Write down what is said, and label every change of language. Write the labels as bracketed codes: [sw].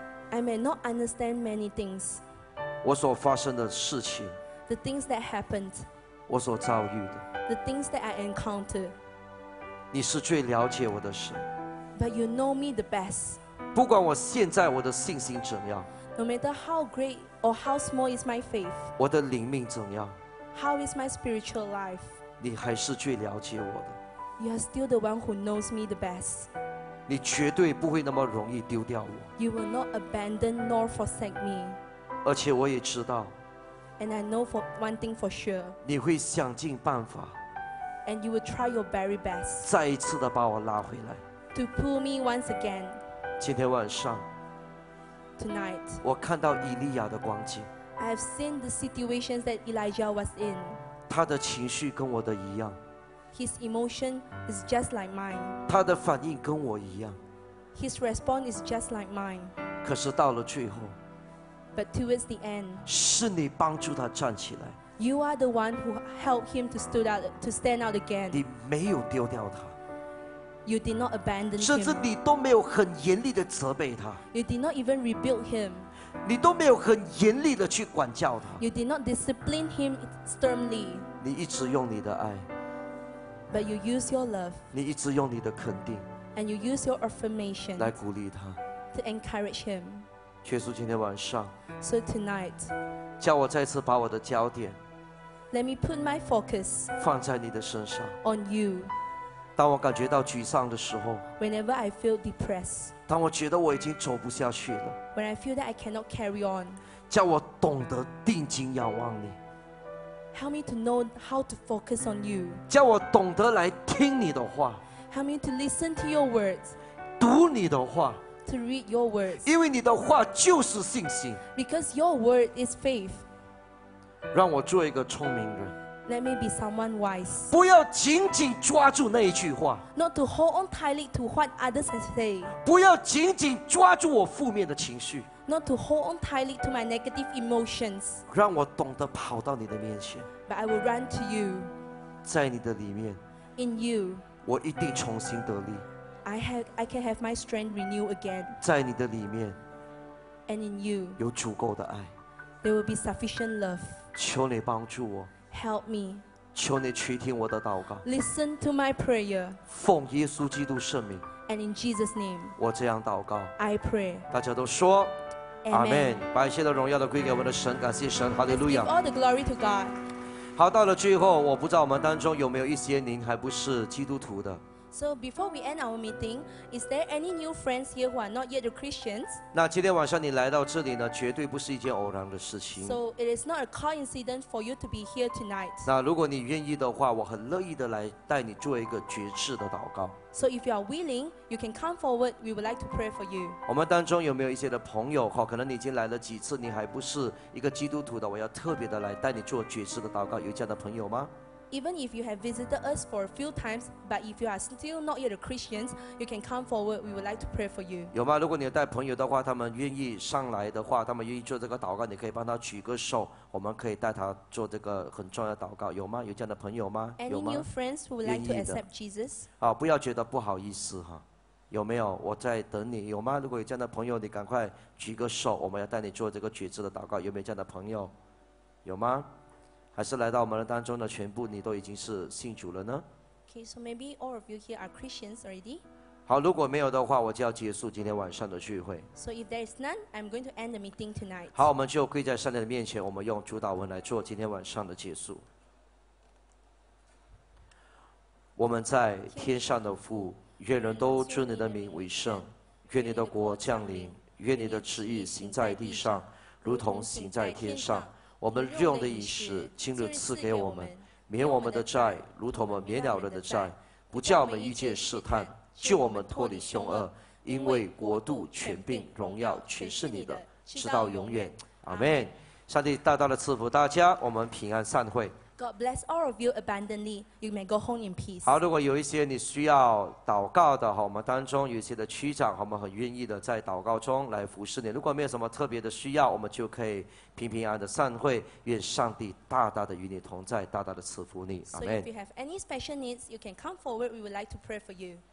[en] I may not understand many things. [zh] 我所发生的事情。 [en] The things that happened. [zh] 我所遭遇的。 [en] The things that I encounter. [zh] 你是最了解我的神。 [en] But you know me the best. [zh] 不管我现在我的信心怎样。 [en] No matter how great or how small is my faith. [zh] 我的灵命怎样。 [en] How is my spiritual life? [zh] 你还是最了解我的。 [en] You are still the one who knows me the best. [zh] 你绝对不会那么容易丢掉我。 [en] You will not abandon nor forsake me. [zh] 而且我也知道。 [en] And I know for one thing for sure. [zh] 你会想尽办法。 [en] And you will try your very best. [zh] 再一次的把我拉回来。 [en] To pull me once again. [zh] 今天晚上。 [en] Tonight. [zh] 我看到以利亚的光景。 [en] I have seen the situations that Elijah was in. [zh] 他的情绪跟我的一样。 [en] His emotion is just like mine. [zh] 他的反应跟我一样。 [en] His response is just like mine. [zh] 可是到了最后。 [en] But towards the end, [zh] 是你帮助他站起来。 [en] You are the one who helped him to stand out again. [zh] 你没有丢掉他。 [en] You did not abandon him. [zh] 甚至你都没有很严厉的责备他。 [en] You did not even rebuke him. [zh] 你都没有很严厉的去管教他。 [en] You did not discipline him sternly. [zh] 你一直用你的爱。 [en] But you use your love. [zh] 你一直用你的肯定。 [en] And you use your affirmation. [zh] 来鼓励他。 [en] To encourage him. [zh] 耶稣今天晚上 [en] so tonight, [zh] 叫我再次把我的焦点 [en] let me put my focus [zh] 放在你的身上 [en] on you. [zh] 当我感觉到沮丧的时候 [en] whenever I feel depressed, [zh] 当我觉得我已经走不下去了 [en] when I feel that I cannot carry on, [zh] 叫我懂得定睛仰望你 [en] help me to know how to focus on you, [zh] 叫我懂得来听你的话 [en] help me to listen to your words, [zh] 读你的话 [en] To read your words. [zh] 因为你的话就是信心。 [en] Because your word is faith. [zh] 让我做一个聪明人。 [en] Let me be someone wise. [zh] 不要紧紧抓住那一句话。 [en] Not to hold on tightly to what others say. [zh] 不要紧紧抓住我负面的情绪。 [en] Not to hold on tightly to my negative emotions. [zh] 让我懂得跑到你的面前。 [en] But I will run to you. [zh] 在你的里面。 [en] In you. [zh] 我一定重新得力。 [en] I can have my strength renewed again. [zh] 在你的里面 [en] and in you, [zh] 有足够的爱 [en] there will be sufficient love. [zh] 求你帮助我 [en] help me. [zh] 求你垂听我的祷告 [en] listen to my prayer. [zh] 奉耶稣基督圣名 [en] and in Jesus' name, [zh] 我这样祷告 [en] I pray. [zh] 大家都说 [en] Amen. [zh] 把一切的荣耀都归给我们的神，感谢神，哈利路亚。 [en] Give all the glory to God. [zh] 好，到了最后，我不知道我们当中有没有一些您还不是基督徒的。 [en] So before we end our meeting, is there any new friends here who are not yet Christians? [zh] 那今天晚上你来到这里呢，绝对不是一件偶然的事情。 [en] So it is not a coincidence for you to be here tonight. [zh] 那如果你愿意的话，我很乐意的来带你做一个决志的祷告。 [en] So if you are willing, you can come forward. We would like to pray for you. [zh] 我们当中有没有一些的朋友哈？可能你已经来了几次，你还不是一个基督徒的，我要特别的来带你做决志的祷告。有这样的朋友吗？ [en] Even if you have visited us for a few times, but if you are still not yet a Christian, you can come forward. We would like to pray for you. [zh] 有吗？如果你有带朋友的话，他们愿意上来的话，他们愿意做这个祷告，你可以帮他举个手，我们可以带他做这个很重要的祷告。有吗？有这样的朋友吗？ [en] Any new friends who would like to accept Jesus? [zh] 啊，不要觉得不好意思哈。有没有？我在等你，有吗？如果有这样的朋友，你赶快举个手，我们要带你做这个举止的祷告。有没有这样的朋友？有吗？还是来到我们的当中的全部，你都已经是信主了呢？ [en] Okay, so maybe all of you here are Christians already. [zh] 好，如果没有的话，我就要结束今天晚上的聚会。 [en] So if there is none, I'm going to end the meeting tonight. [zh] 好，我们就跪在上帝的面前，我们用主祷文来做今天晚上的结束。我们在天上的父，愿人都尊你的名为圣，愿你的国降临，愿你的旨意行在地上，如同行在天上。我们日用的饮食，今日赐给我们，免我们的债，如同我们免了人的债，不叫我们遇见试探，救我们脱离凶恶，因为国度、权柄、荣耀全是你的，直到永远。阿门。上帝大大的赐福大家，我们平安散会。 [en] God bless all of you abundantly. You may go home in peace. [zh] 好，如果有一些你需要祷告的，我们当中有一些的区长，我们很愿意的在祷告中来服侍你。如果没有什么特别的需要，我们就可以平平安安的散会。愿上帝大大的与你同在，大大的赐福你。 [en] So if you have any special needs, you can come forward. We would like to pray for you.